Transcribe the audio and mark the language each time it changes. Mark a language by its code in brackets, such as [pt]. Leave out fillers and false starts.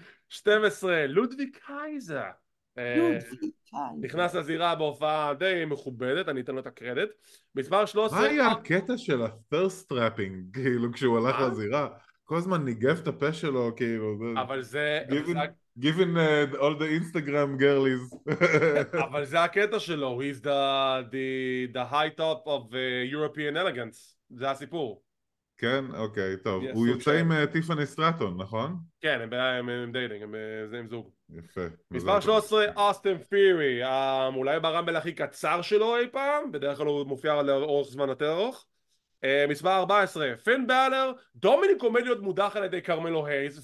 [he] 12, לודוויג קייזר. נכנס לזירה בהופעה די מכובדת, אני אתן לו את הקרדיט. מספר 13... מה היה הקטע של הפרסט טראפינג, כאילו, כשהוא הלך לזירה? כל הזמן ניגף את הפה שלו, כאילו... אבל זה... [en] Given all the Instagram girlies. [he] אבל זה הקטע שלו, [en] he's the high top of European elegance. [he] זה הסיפור. כן, אוקיי, טוב. הוא יוצא עם טיפני סטראטון, נכון? כן, הם דיינג, הם זוג. יפה. מספר 13, אוסטין פיורי. אולי ברמבל הכי קצר שלו אי פעם, בדרך כלל הוא מופיע לאורך זמן יותר ארוך. מספר 14, פין באלר. דומיניק עומד להיות מודח על ידי קרמלו הייז.